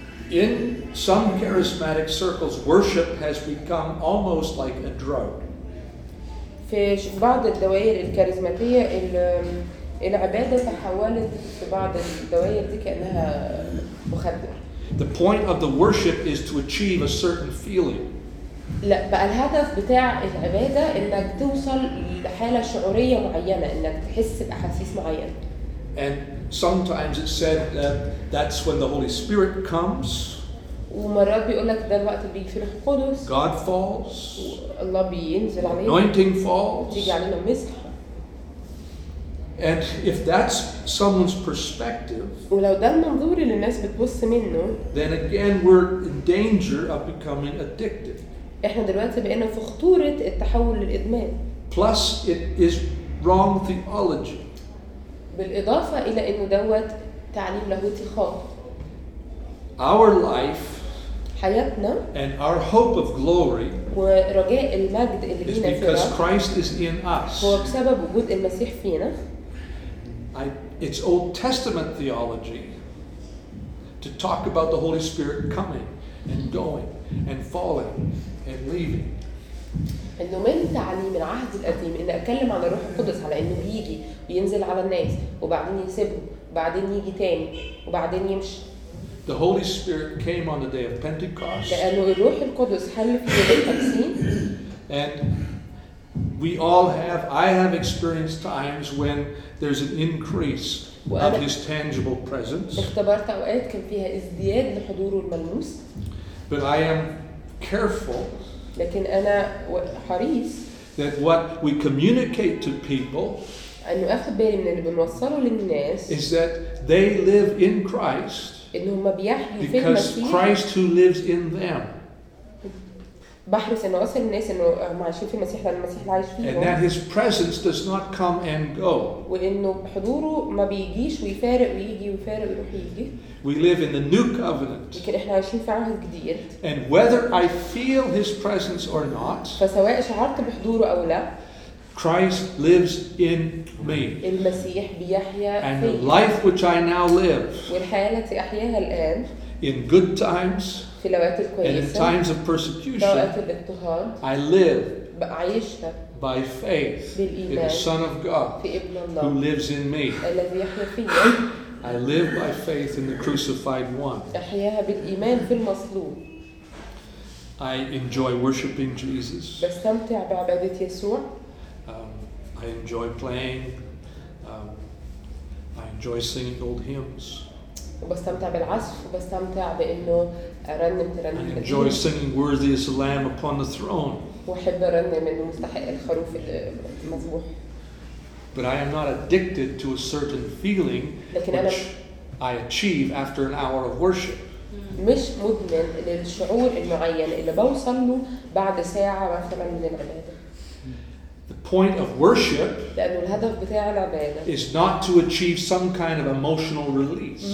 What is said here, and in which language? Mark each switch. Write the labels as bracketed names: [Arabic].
[English] In some charismatic circles, worship has become almost like a drug. [Arabic] في بعض الدوائر الكاريزماتية العبادة تحولت في بعض الدوائر دي كأنها مخدر. [English] The point of the worship is to achieve a certain feeling. [Arabic] لا بقى الهدف بتاع العبادة إنك توصل لحالة شعورية معينة إنك تحس بأحاسيس معينة. [English] And sometimes it's said that that's when the Holy Spirit comes. [Arabic] ومرات بيقول لك ده الوقت اللي بيجي فيه الروح القدس. [English] God falls. [Arabic] الله بينزل علينا. [English] Anointing falls. [Arabic] بيجي علينا مسح. [English] And if that's someone's perspective, [Arabic] ولو ده المنظور اللي الناس بتبص منه, [English] then again we're in danger of becoming addicted. [Arabic] احنا دلوقتي بقينا في خطورة التحول للإدمان. [English] Plus it is wrong theology. [Arabic] بالإضافة إلى إنه دوت تعليم لاهوتي خاطئ. [English] Our life [Arabic] حياتنا [English] and our hope of glory [Arabic] ورجاء المجد اللي [English] is because Christ is in us. [Arabic] هو بسبب وجود المسيح فينا. [English] It's Old Testament theology to talk about the Holy Spirit coming and going and falling and leaving. [Arabic] إنه من تعليم العهد القديم إن أتكلم عن الروح القدس على إنه بيجي وينزل على الناس وبعدين يسيبهم وبعدين يجي تاني وبعدين يمشي. [English] The Holy Spirit came on the day of Pentecost. [Arabic] لأنه الروح القدس حل في يوم التكوين. [English] And we all have, I have experienced times when there's an increase of His tangible presence. [Arabic] اختبرت أوقات كان فيها ازدياد لحضوره الملموس. [English] But I am careful. [Arabic] لكن أنا حريص. [English] That what we communicate to people. [Arabic] أنه أخذ بالي من اللي بنوصله للناس. [English] Is that they live in Christ. [Arabic] إنه ما بيحيي في المسيح. [English] Because Christ who lives in them. [Arabic] بحرص إنه أصل الناس إنه ما عايشين في المسيح لأن المسيح عايش فيهم. [English] And that His presence does not come and go. [Arabic] وإنه حضوره ما بيجيش ويفارق ويجي ويفارق ويروح ويجي. [English] We live in the new covenant. [Arabic] لكن إحنا عايشين في عهد جديد. [English] And whether I feel His presence or not. [Arabic] فسواء شعرت بحضوره أو لا. [English] Christ lives in me. [Arabic] المسيح بيحيا فيا. [English] And the life which I now live. [Arabic] والحياة التي أحياها الآن. [English] In good times. [Arabic] في الأوقات الكويسة. [English] And in times of persecution. [Arabic] في الأوقات الاضطهاد. [English] I live. [Arabic] بعيشها. [English] By faith. [Arabic] بالإيمان. [English] In the Son of God. [Arabic] في ابن الله. [English] Who lives in me. [Arabic] الذي يحيا فيا. [English] I live by faith in the crucified one. [Arabic] أحياها بالإيمان في المصلوب. [English] I enjoy worshiping Jesus. [Arabic] بستمتع بعبادة يسوع. [English] I enjoy playing. I enjoy singing old hymns. [Arabic] وبستمتع بالعزف وبستمتع بإنه أرنم ترنيم. [English] I enjoy singing "Worthy is the Lamb upon the throne." [Arabic] وأحب أرنم إنه مستحق الخروف المذبوح. [English] But I am not addicted to a certain feeling which I achieve after an hour of worship. [Arabic] مش مدمن للشعور المعين اللي بوصل له بعد ساعة مثلاً من العبادة. [English] Point of worship [Arabic] لأنه الهدف بتاع العبادة [English] is not to achieve some kind of emotional release.